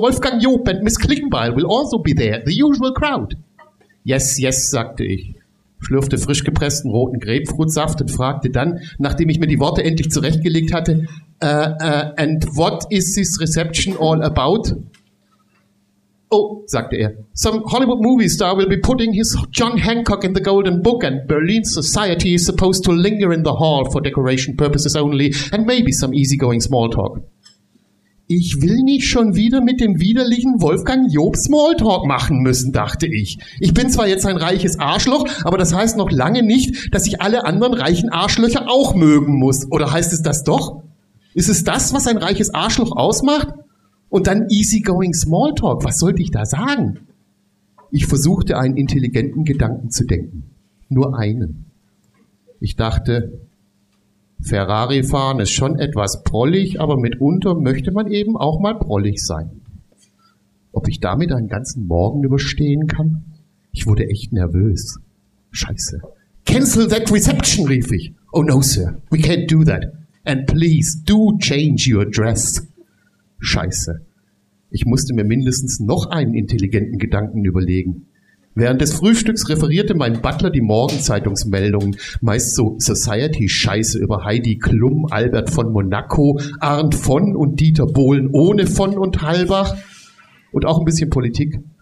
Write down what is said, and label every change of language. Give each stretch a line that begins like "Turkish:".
English: Wolfgang Job and Miss Klingbeil will also be there. The usual crowd. Yes, yes,
German: sagte ich, schlürfte frisch gepressten roten Grapefruitsaft und fragte dann, nachdem ich mir die Worte endlich zurechtgelegt hatte,
English: and what is this reception all about? Oh,
German: sagte er,
English: some Hollywood movie star will be putting his John Hancock in the Golden Book and Berlin society is supposed to linger in the hall for decoration purposes only and maybe some easygoing smalltalk.
German: Ich will nicht schon wieder mit dem widerlichen Wolfgang Job Smalltalk machen müssen, dachte ich. Ich bin zwar jetzt ein reiches Arschloch, aber das heißt noch lange nicht, dass ich alle anderen reichen Arschlöcher auch mögen muss. Oder heißt es das doch? Ist es das, was ein reiches Arschloch ausmacht? Und dann easygoing Smalltalk, was sollte ich da sagen? Ich versuchte, einen intelligenten Gedanken zu denken. Nur einen. Ich dachte, Ferrari fahren ist schon etwas prollig, aber mitunter möchte man eben auch mal prollig sein. Ob ich damit einen ganzen Morgen überstehen kann? Ich wurde echt nervös. Scheiße.
English: Cancel that reception,
German: rief ich.
English: Oh no, sir, we can't do that. And please do change your dress.
German: Scheiße. Ich musste mir mindestens noch einen intelligenten Gedanken überlegen. Während des Frühstücks referierte mein Butler die Morgenzeitungsmeldungen, meist so Society-Scheiße über Heidi Klum, Albert von Monaco, Arndt von und Dieter Bohlen ohne von und Halbach und auch ein bisschen Politik.